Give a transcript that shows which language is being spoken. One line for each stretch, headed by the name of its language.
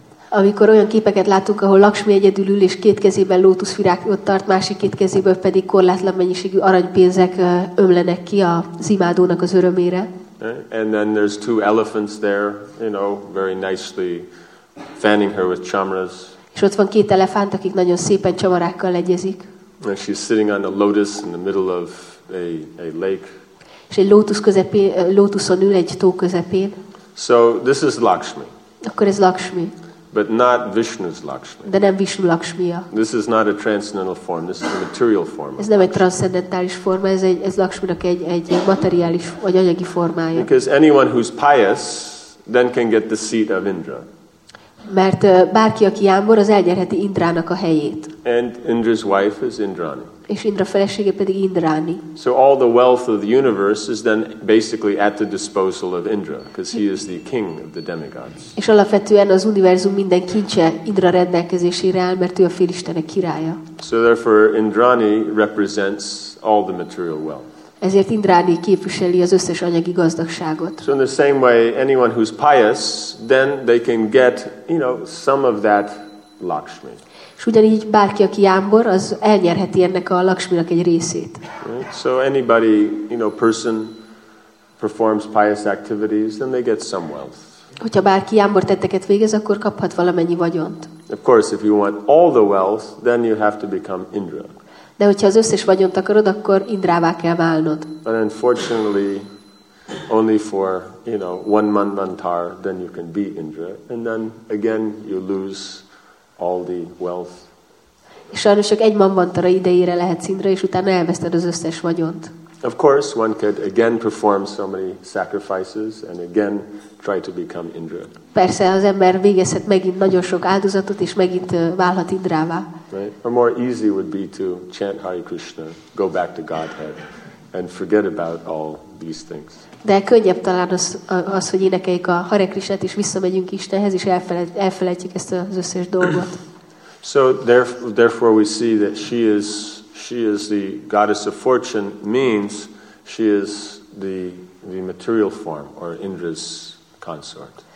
Hungarian: Amikor olyan képeket látunk, ahol Lakshmi egyedül ül és két kezében lótuszvirágot tart, másik két kezében pedig korlátlan mennyiségű aranypénzek ömlenek ki az imádónak az örömére.
English: And then there's two elephants there, you know, very nicely fanning her with chamras.
Hungarian: És ott van két elefánt, akik nagyon szépen csamarákkal egyezik.
English: And she's sitting on a lotus in the middle of a lake.
Hungarian: És egy lótuszon ül egy tó közepén.
English: So this is Lakshmi.
Hungarian: Akkor ez Lakshmi.
English: But not Vishnu's Lakshmi.
Hungarian: De nem Vishnu Lakshmi-ja.
English: This is not a transcendental form. This is a material form.
Hungarian: Ez nem egy transzcendentális forma, ez Lakshminak egy materiális vagy anyagi formája.
English: Because anyone who's pious then can get the seat of Indra.
Hungarian: Mert bárki, aki jámbor, az elnyerheti Indrának a helyét.
English: And Indra's wife is Indrani.
Hungarian: És Indra felesége pedig Indrani.
English: So all the wealth of the universe is then basically at the disposal of Indra, because he is the king of the demigods.
Hungarian: És alapvetően az univerzum minden kincse Indra rendelkezésére áll, mert ő a félistenek királya.
English: So therefore Indrani represents all the material wealth.
Hungarian: Ezért Indrani képviseli az összes anyagi gazdagságot.
English: So in the same way, anyone who's pious, then they can get, you know, some of that Lakshmi.
Hungarian: És ugyanígy bárki, aki jámbor, az elnyerheti ennek a Lakshminak egy részét.
English: Right? So anybody, you know, person performs pious activities, then they get some wealth.
Hungarian: Hogyha bárki jámbor tetteket végez, akkor kaphat valamennyi vagyont.
English: Of course, if you want all the wealth, then you have to become Indra.
Hungarian: De hogyha az összes vagyont akarod, akkor Indrává kell válnod.
English: But unfortunately, only for, you know, one manvantar, then you can be Indra. And then, again, you lose all the wealth.
Hungarian: És sajnos csak egy manvantara idejére lehetsz Indra, és utána elveszted az összes vagyont.
English: Of course, one could again perform so many sacrifices, and again try to become Indra.
Hungarian: Persze, az ember végezhet megint nagyon sok áldozatot, és megint válhat Indrává.
English: Right? Or more easy would be to chant Hare Krishna, go back to Godhead, and forget about all these things.
Hungarian: De könnyebb talán az, hogy énekeljük a Hare Krishnát, és visszamegyünk Istenhez, és elfelejtjük ezt az összes dolgot.
English: So therefore we see that she is the goddess of fortune, means she is the material form, or Indra's consort.